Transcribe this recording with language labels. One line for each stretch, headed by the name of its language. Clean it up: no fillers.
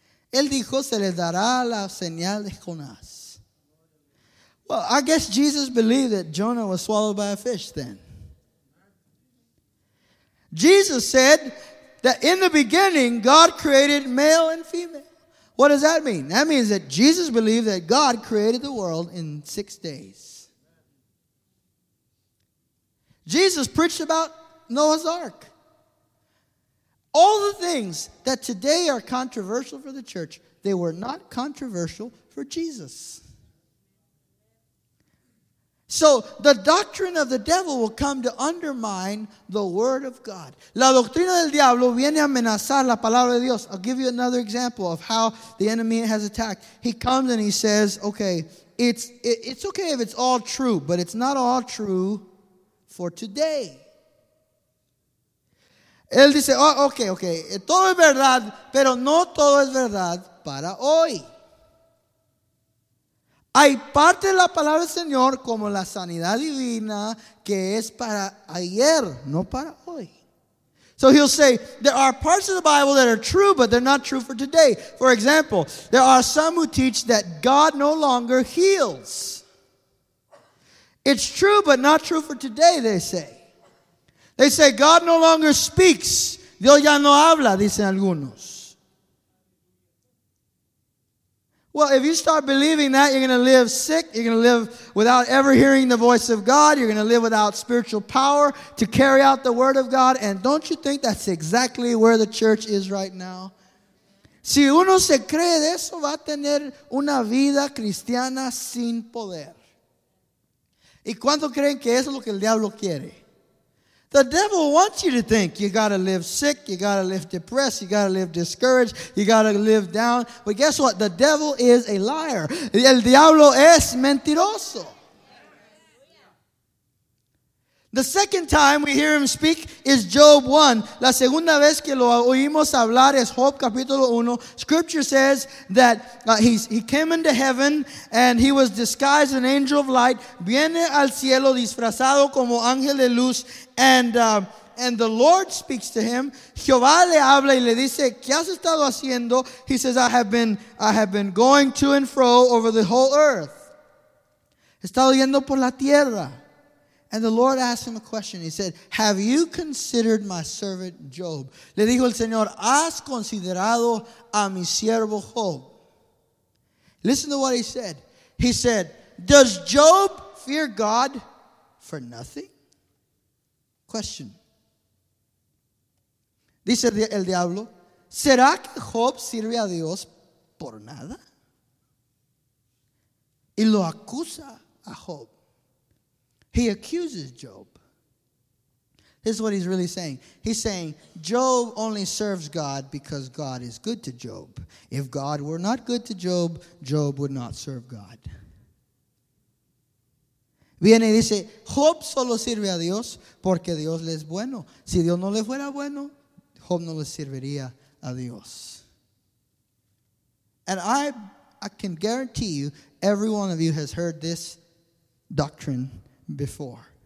Spanish: Él dijo, se les dará la señal de Jonás.
English: Well, I guess Jesus believed that Jonah was swallowed by a fish then. Jesus said that in the beginning, God created male and female. What does that mean? That means that Jesus believed that God created the world in 6 days. Jesus preached about Noah's Ark. All the things that today are controversial for the church, they were not controversial for Jesus. So the doctrine of the devil will come to undermine the word of God.
Spanish: La doctrina del diablo viene a amenazar la palabra de Dios.
English: I'll give you another example of how the enemy has attacked. He comes and he says, okay, it's okay if it's all true, but it's not all true for today.
Spanish: Él dice, oh, okay, todo es verdad, pero no todo es verdad para hoy. Hay parte de la palabra del Señor como la sanidad divina que es para ayer, no para hoy.
English: So he'll say, there are parts of the Bible that are true, but they're not true for today. For example, there are some who teach that God no longer heals. It's true, but not true for today, they say. They say, God no longer speaks.
Spanish: Dios ya no habla, dicen algunos.
English: Well, if you start believing that, you're going to live sick. You're going to live without ever hearing the voice of God. You're going to live without spiritual power to carry out the word of God. And don't you think that's exactly where the church is right now?
Spanish: Si uno se cree de eso, va a tener una vida cristiana sin poder. ¿Y cuánto creen que eso es lo que el diablo quiere?
English: The devil wants you to think you got to live sick, you got to live depressed, you got to live discouraged, you got to live down. But guess what? The devil is a liar.
Spanish: El diablo es mentiroso.
English: The second time we hear him speak is Job 1.
Spanish: La segunda vez que lo oímos hablar es Job capítulo 1.
English: Scripture says that he came into heaven and he was disguised as an angel of light.
Spanish: Viene al cielo disfrazado como ángel de luz.
English: And the Lord speaks to him.
Spanish: Jehová le habla y le dice, ¿qué has estado haciendo?
English: He says, I have been going to and fro over the whole earth.
Spanish: He estado yendo por la tierra.
English: And the Lord asked him a question. He said, have you considered my servant Job?
Spanish: Le dijo el Señor, ¿has considerado a mi siervo Job?
English: Listen to what he said. He said, does Job fear God for nothing? Question.
Spanish: Dice el diablo, ¿será que Job sirve a Dios por nada? Y lo acusa a Job.
English: He accuses Job. This is what he's really saying. He's saying, Job only serves God because God is good to Job. If God were not good to Job, Job would not serve God.
Spanish: Viene y dice, Job solo sirve a Dios porque Dios le es bueno. Si Dios no le fuera bueno, Job no le serviría a Dios.
English: And I can guarantee you, every one of you has heard this doctrine before.